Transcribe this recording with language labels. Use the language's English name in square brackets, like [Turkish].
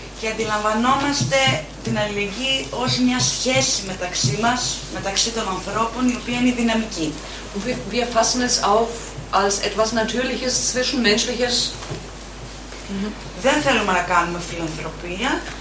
[Greek] Και αντιλαμβανόμαστε την αλληλεγγύη ως μια σχέση μεταξύ μας, μεταξύ των ανθρώπων, η οποία είναι δυναμική. [German] Und wir fassen es auf als etwas Natürliches, Zwischenmenschliches. [Greek] Δεν θέλουμε να κάνουμε φιλανθρωπία.